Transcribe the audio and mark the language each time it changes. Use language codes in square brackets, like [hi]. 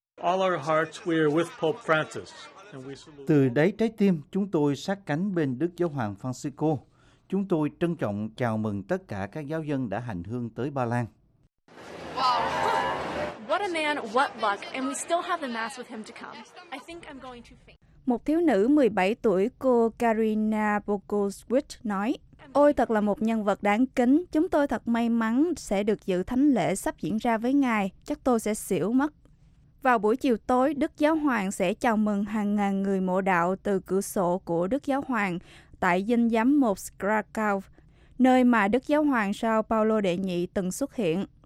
[en] All our hearts, we are with Pope Francis. [vi] Từ đáy trái tim, chúng tôi sát cánh bên Đức Giáo Hoàng Francisco. Chúng tôi trân trọng chào mừng tất cả các giáo dân đã hành hương tới Ba Lan. [en] What a man, what luck, and we still have the mass with him to come. I think I'm going to faint. [vi] Một thiếu nữ 17 tuổi, cô Karina Bogoswit nói: Ôi, thật là một nhân vật đáng kính. Chúng tôi thật may mắn sẽ được dự thánh lễ sắp diễn ra với ngài. Chắc tôi sẽ xỉu mất. Vào buổi chiều tối, Đức Giáo Hoàng sẽ chào mừng hàng ngàn người mộ đạo từ cửa sổ của Đức Giáo Hoàng tại dinh giám mục Krakow, nơi mà Đức Giáo Hoàng São Paulo Đệ Nhị từng xuất hiện.